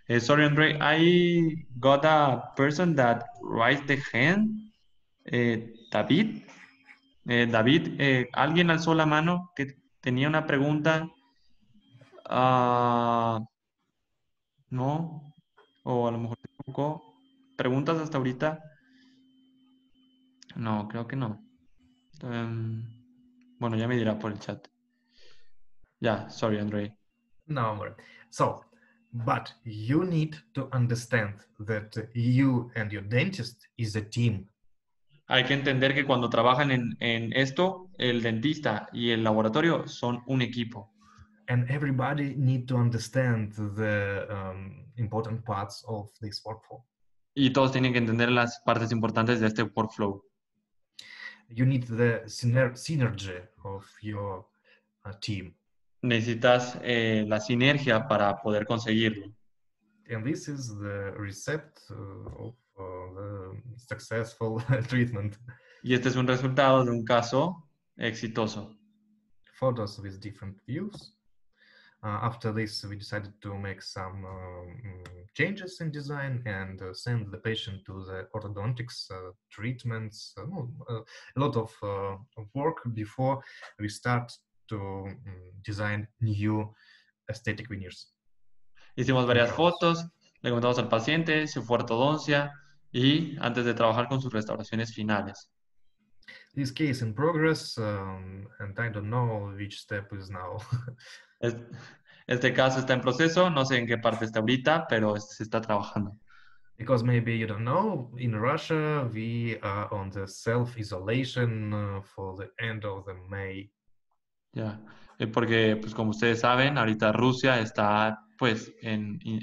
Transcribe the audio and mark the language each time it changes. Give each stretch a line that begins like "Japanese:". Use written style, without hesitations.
English: Sorry, Andre, I got a person that raised the hand. David.
Spanish: David, alguien alzó la mano que tenía una pregunta. No. A lo mejor tampoco. ¿Preguntas hasta ahorita? No, creo que no. Bueno, ya me dirá por el chat.
English: Yeah, sorry, Andre.
Spanish: No, Andre.
English: So, but you need to understand that you and your dentist is a team.
Spanish: Hay que entender que cuando trabajan en esto, el dentista y el laboratorio son un equipo.
English: And everybody need to understand the important parts of this workflow.
Spanish: Y todos tienen que entender las partes importantes de este workflow.
English: You need the synergy of your team.
Spanish: Necesitas la sinergia para poder conseguirlo.
English: And this is the recept of the successful treatment.
Spanish: Y este es un resultado de un caso exitoso.
English: Photos with different views. After this, we decided to make some changes in design and send the patient to the orthodontics treatments. A lot of work before we start to design new aesthetic veneers.
Spanish: Hicimos varias fotos, le comentamos al paciente, se fue a ortodoncia y antes de trabajar con sus restauraciones finales.
English: This case in progress, and I don't know which step is now.
Spanish: Este caso está en proceso, no sé en qué parte está ahorita, pero se está trabajando.
English: Because maybe you don't know, in Russia we are on the self-isolation for the end of the May. Ya, yeah.
Spanish: Porque pues como ustedes saben, ahorita Rusia está pues en